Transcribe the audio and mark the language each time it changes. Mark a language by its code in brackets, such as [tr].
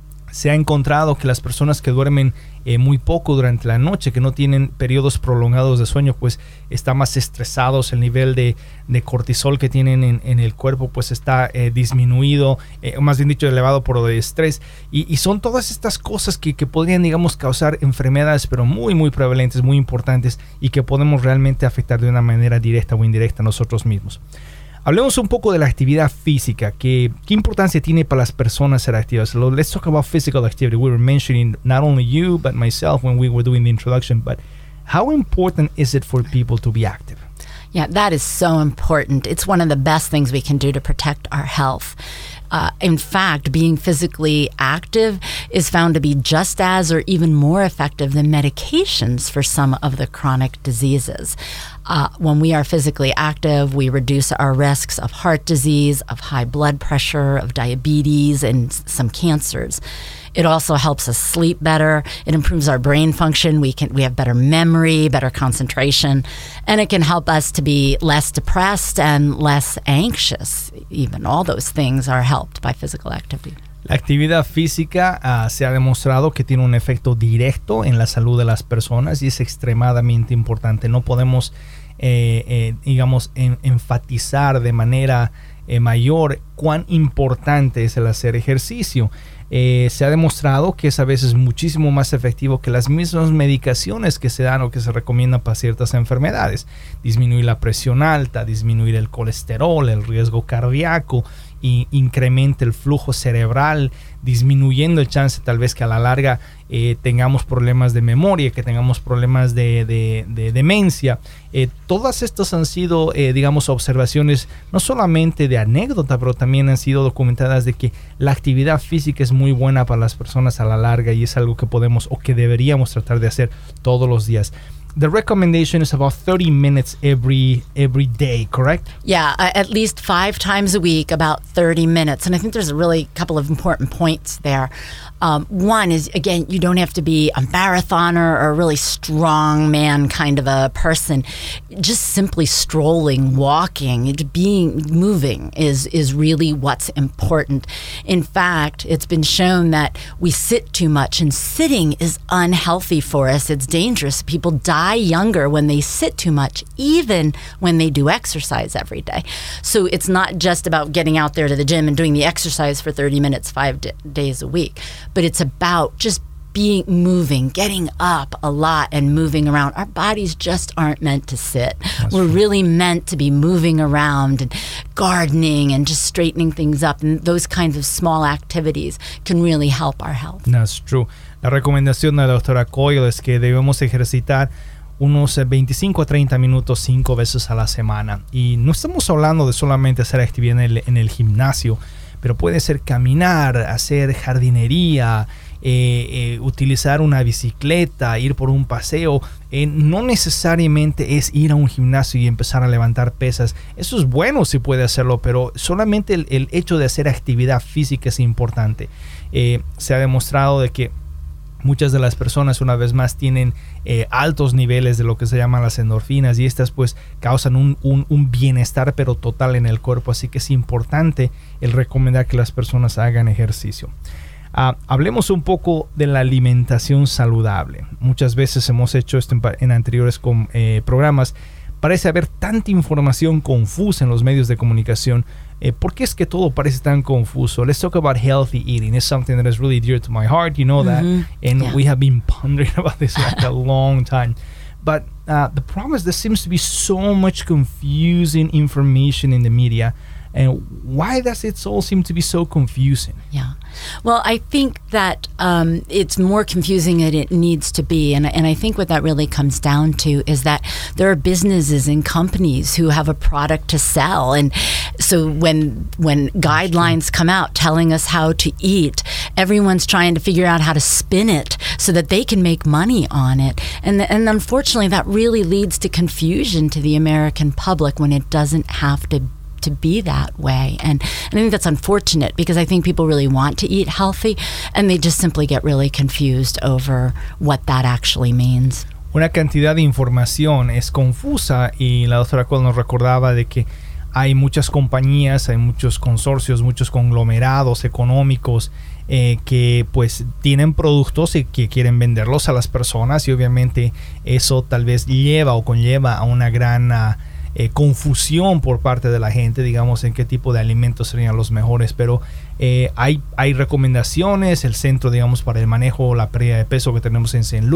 [es] Se ha encontrado que las personas que duermen muy poco durante la noche, que no tienen periodos prolongados de sueño, pues están más estresados, el nivel de cortisol que tienen en el cuerpo pues está disminuido, más bien dicho elevado por el estrés, y son todas estas cosas que podrían, digamos, causar enfermedades, pero muy muy prevalentes, muy importantes, y que podemos realmente afectar de una manera directa o indirecta a nosotros mismos. Hablemos un poco de la actividad física. ¿Qué importancia tiene para las personas ser activas? [en] So let's talk about physical activity. We were mentioning not only you, but myself when we were doing the introduction. But how important is it for people to be active? Yeah, that is so important. It's one of the best things we can do to protect our health. In fact, being physically active is found to be just as or even more effective than medications for some of the chronic diseases. When we are physically active, we reduce our risks of heart disease, of high blood pressure, of diabetes, and some cancers. It also helps us sleep better. It improves our brain function. We have better memory, better concentration, and it can help us to be less depressed and less anxious. Even all those things are helped by physical activity. [es] La actividad física se ha demostrado que tiene un efecto directo en la salud de las personas y es extremadamente importante. No podemos, enfatizar de manera mayor cuán importante es el hacer ejercicio. Se ha demostrado que es a veces muchísimo más efectivo que las mismas medicaciones que se dan o que se recomiendan para ciertas enfermedades. Disminuir la presión alta, disminuir el colesterol, el riesgo cardíaco, e incrementa el flujo cerebral, disminuyendo el chance tal vez que a la larga tengamos problemas de memoria, que tengamos problemas de demencia. Todas estas han sido, observaciones no solamente de anécdota, pero también han sido documentadas de que la actividad física es muy buena para las personas a la larga y es algo que podemos o que deberíamos tratar de hacer todos los días. [en] The recommendation is about 30 minutes every day, correct? Yeah, at least 5 times a week, about 30 minutes. And I think there's a really couple of important points there. One is, again, you don't have to be a marathoner or a really strong man kind of a person. Just simply strolling, walking, being moving is really what's important. In fact, it's been shown that we sit too much, and sitting is unhealthy for us. It's dangerous. People die younger when they sit too much, even when they do exercise every day. So it's not just about getting out there to the gym and doing the exercise for 30 minutes 5 days a week, but it's about just being moving, getting up a lot and moving around. Our bodies just aren't meant to sit. That's We're true. Really meant to be moving around and gardening and just straightening things up. And those kinds of small activities can really help our health. That's true. [es] La recomendación de la doctora Coyle es que debemos ejercitar unos 25 a 30 minutos 5 veces a la semana. Y no estamos hablando de solamente hacer actividad en el gimnasio, pero puede ser caminar, hacer jardinería, utilizar una bicicleta, ir por un paseo. No necesariamente es ir a un gimnasio y empezar a levantar pesas. Eso es bueno si puede hacerlo, pero solamente el hecho de hacer actividad física es importante. Se ha demostrado de que muchas de las personas, una vez más, tienen altos niveles de lo que se llaman las endorfinas, y estas pues causan un bienestar pero total en el cuerpo. Así que es importante el recomendar que las personas hagan ejercicio. Hablemos un poco de la alimentación saludable. Muchas veces hemos hecho esto en anteriores programas. Parece haber tanta información confusa en los medios de comunicación. ¿Por qué es que todo parece tan confuso? [en] Let's talk about healthy eating. It's something that is really dear to my heart. You know that. Mm-hmm. And yeah. We have been pondering about this for a long time. But the problem is there seems to be so much confusing information in the media. And why does it all seem to be so confusing? Yeah. Well, I think that it's more confusing than it needs to be. And I think what that really comes down to is that there are businesses and companies who have a product to sell. And so when guidelines come out telling us how to eat, everyone's trying to figure out how to spin it so that they can make money on it. And unfortunately, that really leads to confusion to the American public when it doesn't have to to be that way. And I think that's unfortunate because I think people really want to eat healthy and they just simply get really confused over what that actually means. [es] Una cantidad de información es confusa y la doctora Cole nos recordaba de que hay muchas compañías, hay muchos consorcios, muchos conglomerados económicos que pues tienen productos y que quieren venderlos a las personas y obviamente eso tal vez lleva o conlleva a una gran confusión por parte de la gente, digamos, en qué tipo de alimentos serían los mejores, pero hay recomendaciones, el centro, digamos, para el manejo o la pérdida de peso que tenemos en St.